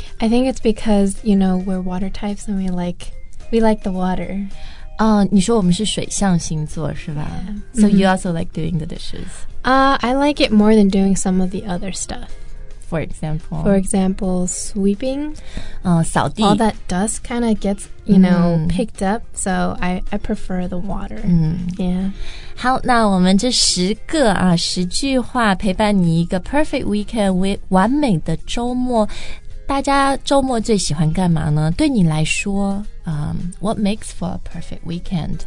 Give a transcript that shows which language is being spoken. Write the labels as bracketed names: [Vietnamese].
[English] I think it's because, you know, we're water types and we like the water [Chinese] 你说我们是水象星座是吧 [English] yeah, So you also like doing the dishes I like it more than doing some of the other stuff For example, sweeping [Chinese] 扫地 [English] All that dust kind of gets, you know,、picked up So I prefer the water、Yeah [Chinese] 好那我们这十个啊十句话陪伴你一个 perfect weekend 完美的周末大家周末最喜欢干嘛呢对你来说 [English] what makes for a perfect weekend?